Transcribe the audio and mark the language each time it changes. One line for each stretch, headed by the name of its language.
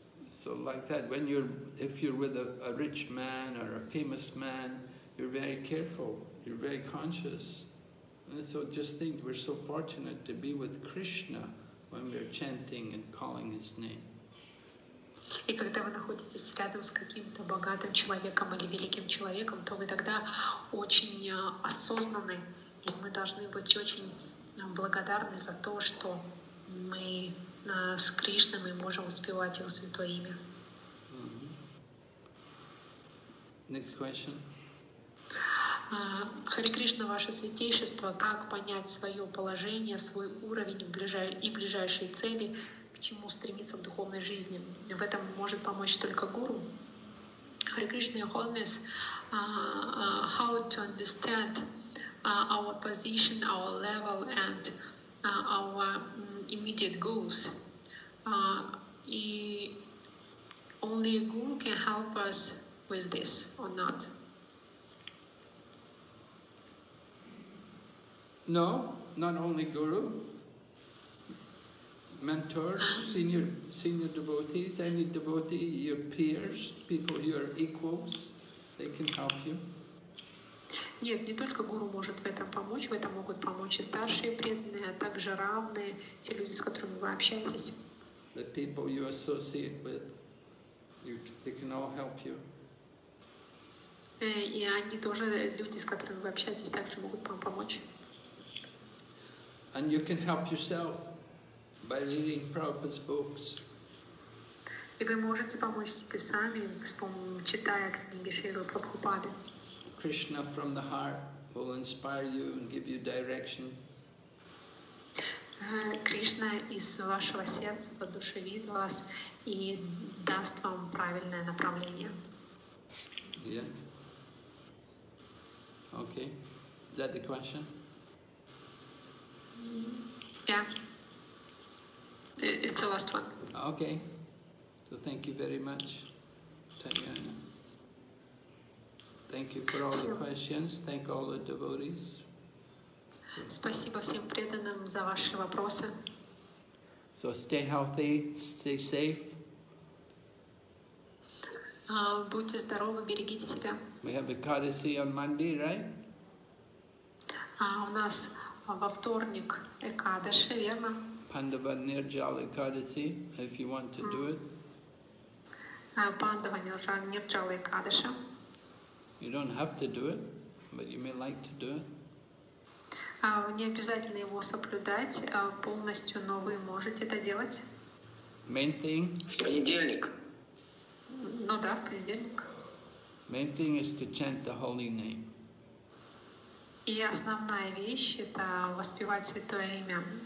English: So like that, when you're, if you're with a rich man or a famous man, you're very careful, you're very conscious. And so just think, we're so fortunate to be with Krishna when we're chanting and calling his name.
Russian: И когда вы находитесь рядом с каким-то богатым человеком или великим человеком, то вы тогда очень осознаны, и мы должны быть очень благодарны за то, что мы с Кришной, мы можем воспевать его святое имя.
English: Mm-hmm. Next question.
Russian: Харе Кришна, ваше святейшество, как понять свое положение, свой уровень и ближайшие цели, к чему стремиться в духовной жизни? В этом может помочь только гуру.
English: Харе Кришна, your holiness, how to understand our position, our level and our immediate goals? Only a guru can help us with this or not? No, not only guru. Mentors, senior devotees, any devotee, your peers, people you are equals, they can help you.
Russian: Нет, не только гуру может в этом помочь, в этом могут помочь и старшие преданные, а также равные, те люди, с которыми вы общаетесь.
English: The people you associate with, they can all help you.
Russian: И они тоже люди, с которыми вы общаетесь, также могут вам помочь.
English: And you can help yourself by reading Prabhupada's books.
Russian: И вы можете помочь себе сами, читая книги Шрилы Прабхупады.
English: Krishna from the heart will inspire you and give you direction.
Russian: Кришна из вашего сердца воодушевит вас и даст вам правильное направление.
English: Yeah. Okay. Is that the question? Yeah. It's the last one. Okay. So thank you very much, Tatiana. Thank you for all the questions. Thank all the devotees.
Russian: Спасибо всем преданным за ваши вопросы.
English: So stay healthy, stay safe.
Russian: Будьте здоровы, берегите себя.
English: We have Ekadasi on Monday, right?
Russian: У нас во вторник Экадаши, верно?
English: Pandava Nirjal Ekadasi, if you want to do it. Pandava Nirjal Ekadasi. You don't have to do it, but you may like to do it.
Russian: Не обязательно его соблюдать полностью, но вы можете это делать.
English: Main thing.
Russian: В понедельник. Ну да, в понедельник.
English: Main thing is to chant the holy name.
Russian: И основная вещь – это воспевать святое имя.